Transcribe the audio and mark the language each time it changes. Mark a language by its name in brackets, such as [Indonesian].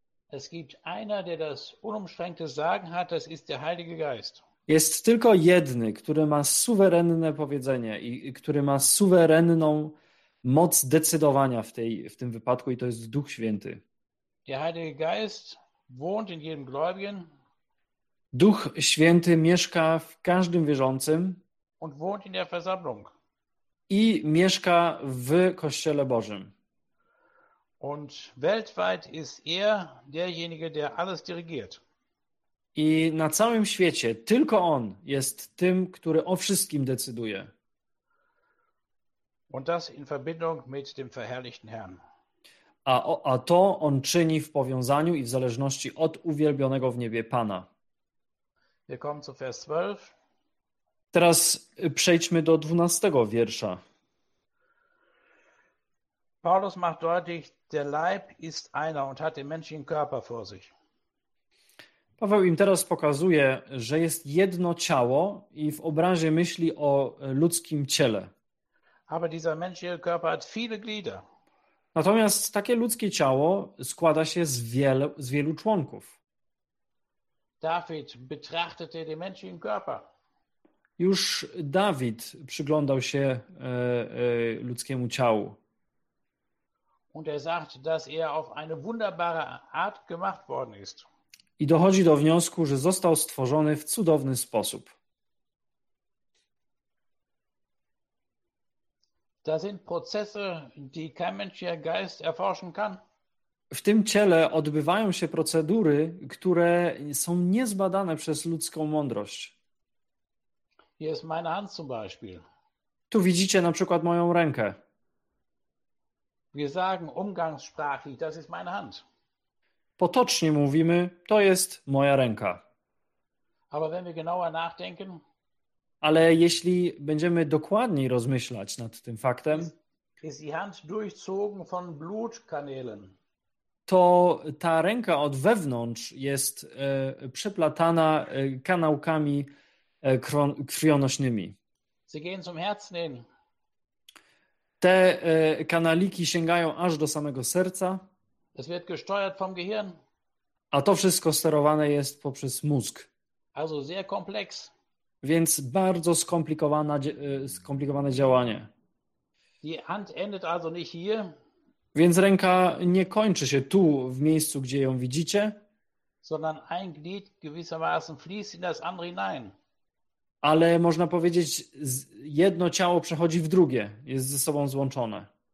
[German] Es gibt einer, der das unumschränkte Sagen hat, das ist der Heilige Geist. [Polish] Jest tylko jedny, który ma suwerenne powiedzenie i który ma suwerenną moc decydowania w tym wypadku, i to jest Duch Święty. [German] Der Heilige Geist wohnt in jedem Gläubigen. [Polish] Duch Święty mieszka w każdym wierzącym [German] und wohnt in der Versammlung. [Polish] I mieszka w Kościele Bożym. [German] Und weltweit ist derjenige, der alles dirigiert. [Polish] I na całym świecie tylko on jest tym, który o wszystkim decyduje. [German] Und das in Verbindung mit dem verherrlichten Herrn. [Polish] A to on czyni w powiązaniu i w zależności od uwielbionego w niebie Pana. [German] Wir kommen zu Vers 12. [Polish] Teraz przejdźmy do 12 wiersza. [German] Paulus macht deutlich, der Leib ist einer und hat den menschlichen Körper vor sich. [Polish] Paweł im teraz pokazuje, że jest jedno ciało i w obrazie myśli o ludzkim ciele. [German] Aber dieser menschliche Körper hat viele Glieder. [Polish] Natomiast takie ludzkie ciało składa się z wielu członków. [German] David betrachtete den menschlichen Körper. [Polish] Już Dawid przyglądał się ludzkiemu ciału. [German] Und sagt, dass auf eine wunderbare Art gemacht worden ist. [Polish] I dochodzi do wniosku, że został stworzony w cudowny sposób. [German] Da sind Prozesse, die kein menschlicher Geist erforschen kann. [Polish] W tym ciele odbywają się procedury, które są niezbadane przez ludzką mądrość. [German] Hier ist meine Hand zum Beispiel. [Polish] Tu widzicie na przykład moją rękę. [German] Wir sagen umgangssprachlich, das ist meine Hand. [Polish] Potocznie mówimy, to jest moja ręka. [German] Aber wenn wir genauer nachdenken, [Polish] ale jeśli będziemy dokładniej rozmyślać nad tym faktem, [German] ist die Hand durchzogen von Blutkanälen. [Polish] To ta ręka od wewnątrz jest przeplatana kanałkami krwionośnymi. [German] Sie gehen zum Herzen hin. [Polish] Te kanaliki sięgają aż do samego serca. [German] Es wird gesteuert vom Gehirn. [Polish] A to wszystko sterowane jest poprzez mózg. [German] Also sehr komplex. [Polish] Więc bardzo skomplikowane działanie. [German] Die Hand endet also nicht hier. [Polish] Więc ręka nie kończy się tu, w miejscu, gdzie ją widzicie. [German] Sondern ein Glied gewissermaßen fließt in das andere hinein. [Polish] Ale można powiedzieć, jedno ciało przechodzi w drugie, jest ze sobą złączone.